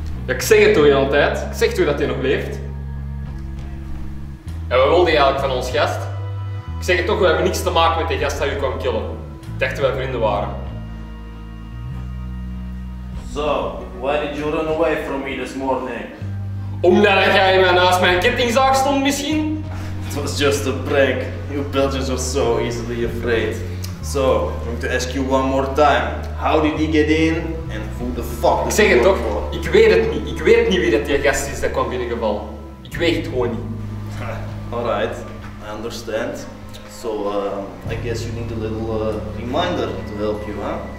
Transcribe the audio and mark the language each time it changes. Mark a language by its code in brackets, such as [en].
[nl] Ja, ik zeg het toch altijd. Ik zeg toch dat hij nog leeft. En wat wilde hij eigenlijk van ons gast? Ik zeg het toch, we hebben niks te maken met die gast die u kwam killen. Ik dacht dat wij vrienden waren. [en] So, why did you run away from me this morning? [nl] Omdat jij naast mijn kettingzaak stond misschien? [en] It was just a prank. You Belgians are so easily afraid. So, I'm going to ask you one more time. How did he get in and who the fuck did he work for? [nl] Ik weet het niet. Ik weet niet wie dat die gast is dat kwam binnengevallen. Ik weet het gewoon niet. [en] Alright, I understand. So, I guess you need a little reminder to help you, huh?